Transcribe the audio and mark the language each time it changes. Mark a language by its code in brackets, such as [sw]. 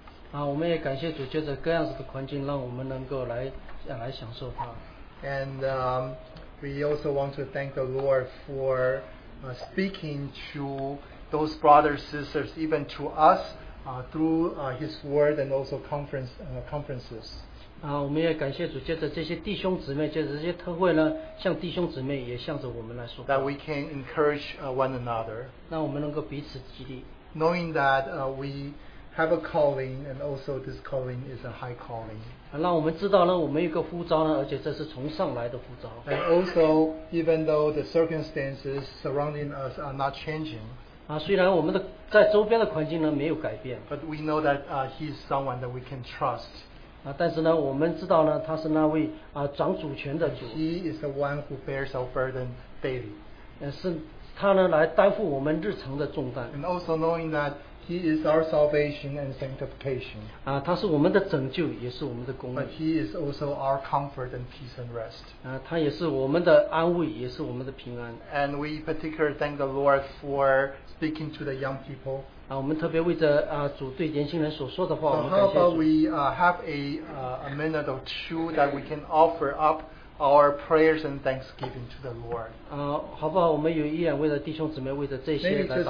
[zh] 我们也感谢主，借着各样子的环境，让我们能够来享受它。 [en] And we also want to thank the Lord for speaking to those brothers and sisters, even to us, through His Word and also conferences. [zh] 我们也感谢主，借着这些弟兄姊妹，借着这些特会呢，向弟兄姊妹也向着我们来说话。 [en] That we can encourage one another. [zh] 那我们能够彼此激励。 [en] Knowing that we have a calling, and also this calling is a high calling. [zh] 让我们知道呢，我们有个呼召呢，而且这是从上来的呼召。 [en] And also, even though the circumstances surrounding us are not changing. [zh] 虽然我们的在周边的环境呢没有改变。 [en] But we know that he is someone that we can trust. [zh] 但是呢，我们知道呢，他是那位掌主权的主。 [en] He is the one who bears our burden daily. [zh] 是他呢来担负我们日常的重担。 [en] And also knowing that he is our salvation and sanctification. [zh] 他是我们的拯救，也是我们的公义。 [en] But he is also our comfort and peace and rest. [zh] 他也是我们的安慰，也是我们的平安。 [en] And we particularly thank the Lord for speaking to the young people. [zh] 我们特别为着主对年轻人所说的话，我们感谢主。 [en] So how about we have a minute or two that we can offer up our prayers and thanksgiving to the Lord? [zh] 好不好？我们有一两位的弟兄姊妹为着这些来祷告。